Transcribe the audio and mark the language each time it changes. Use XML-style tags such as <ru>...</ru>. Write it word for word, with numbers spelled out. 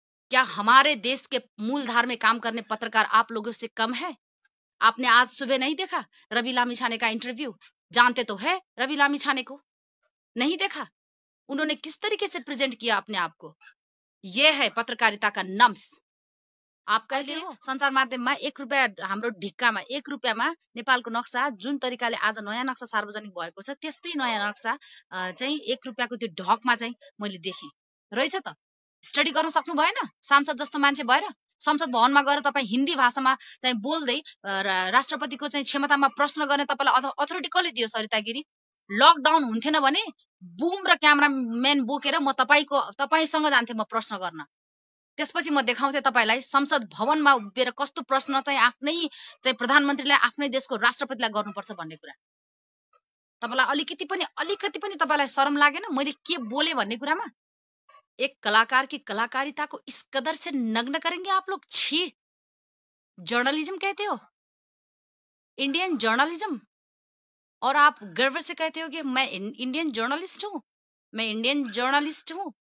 <hi>क्या हमारे देश के मूलधार में काम करने पत्रकार आप लोगों से कम है? आपने आज सुबह नहीं देखा रवि लामी छाने का इंटरव्यू? जानते तो है रवि लामी छाने को, नहीं देखा? उन्होंने किस तरीके से प्रेजेंट किया अपने आप को। ये है पत्रकारिता का नम्स। आप कहते हो</hi> <ne>संसार माध्यममा एक रुपियाँ, हाम्रो ढिक्कामा एक रुपियाँमा नेपालको नक्सा, जुन तरिकाले आज नयाँ नक्सा सार्वजनिक भएको छ त्यस्तै नयाँ नक्सा अ, चाहिँ एक रुपियाँको त्यो ढकमा चाहिँ मैले देखेँ रहेछ। त स्टडी गर्न सक्नु भएन सांसद जस्तो मान्छे भएर? संसद भवनमा गएर तपाईँ हिन्दी भाषामा चाहिँ बोल्दै अ, रा- राष्ट्रपतिको चाहिँ क्षमतामा प्रश्न गर्ने तपाईँलाई अथोरिटी कसले दियो? सरिता गिरी, लकडाउन हुन्थेन भने बुम र क्यामराम्यान बोकेर म तपाईँको तपाईँसँग जान्थेँ म प्रश्न गर्न। त्यसपछि म देखाउँथेँ तपाईँलाई संसद भवनमा उभिएर कस्तो प्रश्न चाहिँ आफ्नै चाहिँ प्रधानमन्त्रीलाई, आफ्नै देशको राष्ट्रपतिलाई गर्नुपर्छ भन्ने कुरा। तपाईँलाई अलिकति पनि अलिकति पनि तपाईँलाई शरम लागेन मैले के बोले भन्ने कुरामा?</ne> <hi>एक कलाकार की कलाकारिता को इस कदर से नग्न करेंगे आप लोग? छी, जर्नलिज्म कहते हो, इंडियन जर्नलिज्म, और आप गर्व से कहते हो कि मैं इन- इंडियन जर्नलिस्ट हूँ, मैं इंडियन जर्नलिस्ट हूँ।</hi>